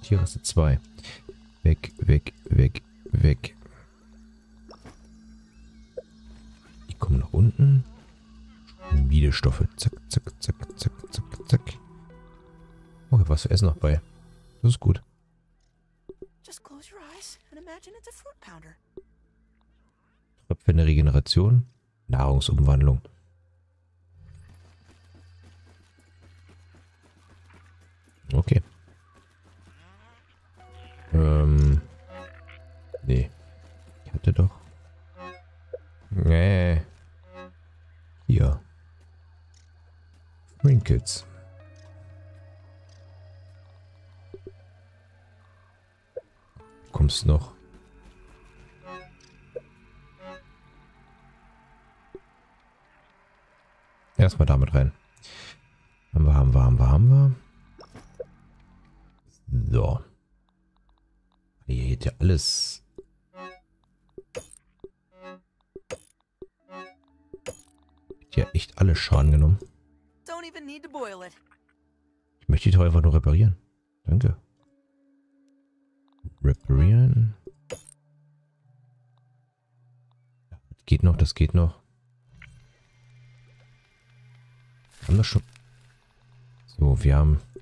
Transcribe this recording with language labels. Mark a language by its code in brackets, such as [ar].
[de] Tierreste 2. Weg, weg, weg, weg. Die kommen nach unten. Schmiedestoffe. Zack, zack, zack, zack, zack, zack. Oh, was für Essen noch bei. Das ist gut. [en] Just close your eyes and imagine it's a food pounder. [de] Tröpfe in der Regeneration. Nahrungsumwandlung. Okay. Nee. Ich hatte doch. Nee. Hier. [en] Trinkets. [de] Kommst noch. Erstmal damit rein. Haben wir. So. Hier geht ja alles. Hat ja echt alles Schaden genommen. [en] Don't even need to boil it. [de] Ich möchte die doch einfach nur reparieren. Danke. Reparieren. Das geht noch, das geht noch. Haben wir schon. So, wir haben.